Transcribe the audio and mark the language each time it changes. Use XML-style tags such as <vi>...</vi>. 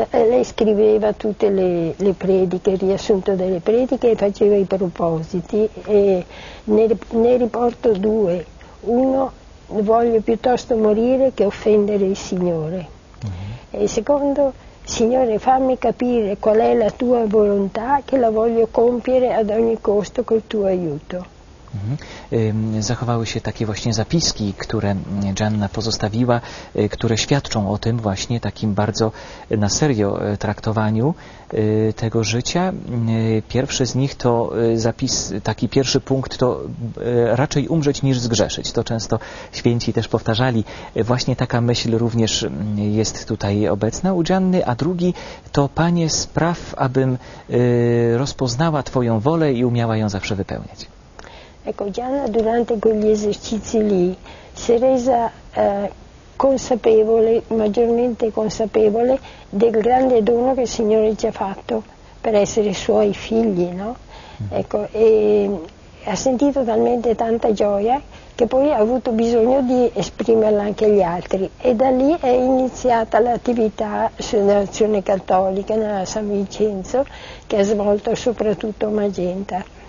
<it>Lei scriveva tutte le prediche, il riassunto delle prediche e faceva i propositi e ne riporto due. Uno, voglio piuttosto morire che offendere il Signore. E secondo, Signore, fammi capire qual è la tua volontà che la voglio compiere ad ogni costo col tuo aiuto.</it> <pl>Zachowały się takie właśnie zapiski, które Gianna pozostawiła, które świadczą o tym właśnie takim bardzo na serio traktowaniu tego życia. Pierwszy z nich to zapis, taki pierwszy punkt to raczej umrzeć niż zgrzeszyć. To często święci też powtarzali. Właśnie taka myśl również jest tutaj obecna u Gianny. A drugi to Panie spraw, abym rozpoznała Twoją wolę i umiała ją zawsze wypełniać.</pl> <it>Ecco, Gianna durante quegli esercizi lì si è resa consapevole, maggiormente consapevole del grande dono che il Signore ci ha fatto per essere suoi figli, no? Ecco, e ha sentito talmente tanta gioia che poi ha avuto bisogno di esprimerla anche agli altri, e da lì è iniziata l'attività sull'azione cattolica nella San Vincenzo, che ha svolto soprattutto Magenta.</it>